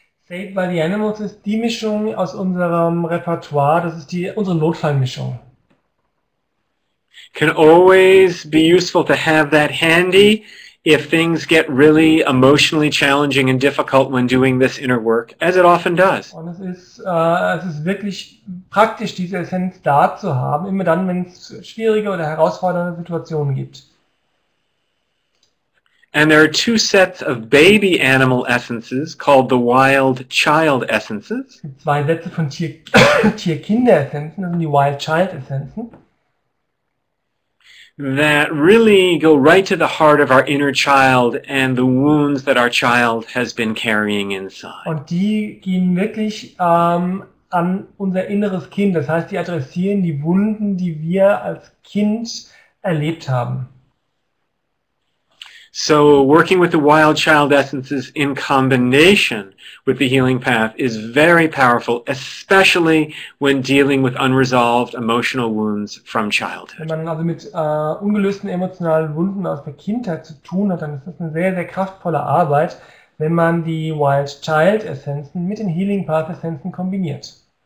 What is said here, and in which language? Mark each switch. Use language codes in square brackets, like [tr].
[de] Saved by the animals ist die Mischung aus unserem Repertoire, das ist unsere Notfallmischung. [en] Can always be useful to have that handy if things get really emotionally challenging and difficult when doing this inner work, as it often does. [de] Und es ist wirklich praktisch, diese Essenz da zu haben, immer dann, wenn es schwierige oder herausfordernde Situationen gibt. [en] And there are two sets of baby animal essences called the wild child essences. [de] Es gibt zwei Sätze von Tier-Kinder-Essenzen, das sind die wild child Essenzen. [en] That really go right to the heart of our inner child and the wounds that our child has been carrying inside. [de] Und die gehen wirklich an unser inneres Kind. Das heißt, die adressieren die Wunden, die wir als Kind erlebt haben. [en] So working with the wild child essences in combination with the healing path is very powerful, especially when dealing with unresolved emotional wounds from childhood. [de] Wenn man also mit ungelösten emotionalen Wunden aus der Kindheit zu tun hat, dann ist das eine sehr, sehr kraftvolle Arbeit, wenn man die wild child Essenzen mit den healing path Essenzen kombiniert.